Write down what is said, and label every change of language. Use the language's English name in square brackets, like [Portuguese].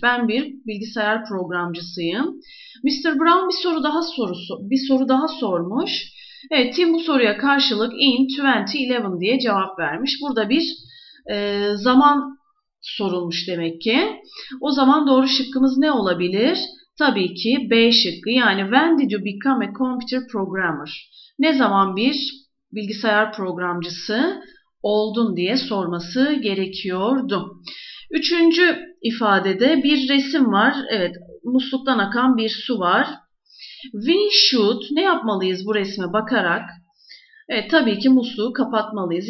[Turkish] Ben bir bilgisayar programcısıyım. Mr. Brown bir soru daha sormuş. Evet, Tim bu soruya karşılık in 2011 diye cevap vermiş. Burada bir zaman sorulmuş demek ki. O zaman doğru şıkkımız ne olabilir? Tabii ki B şıkkı. [English] Yani when did you become a computer programmer? [Turkish] Ne zaman bir bilgisayar programcısı oldun diye sorması gerekiyordu. Üçüncü ifadede bir resim var. Evet, musluktan akan bir su var. We should, ne yapmalıyız bu resme bakarak? Evet, tabii ki musluğu kapatmalıyız.